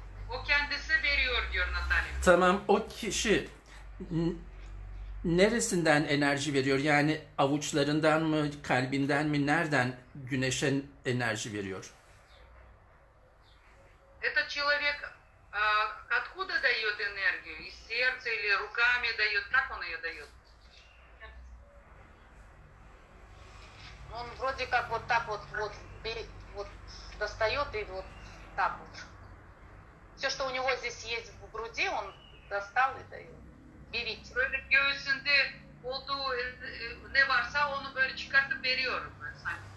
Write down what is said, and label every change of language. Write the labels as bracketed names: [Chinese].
[Turkish] O kendisi veriyor diyor Natalya. Tamam, o kişi neresinden enerji veriyor? Yani avuçlarından mı, kalbinden mi, nereden güneşe enerji veriyor? [Russian] Это человек откуда дает энергию? Из сердца или руками дает? Как он ее дает? Он вроде как вот так вот, вот достает и вот так вот. Все, что у него здесь есть в груди, он достал и дает. Берите. [Turkish] Вроде göğsünde olduğu ne varsa onu böyle çıkartıp veriyorum ben sana.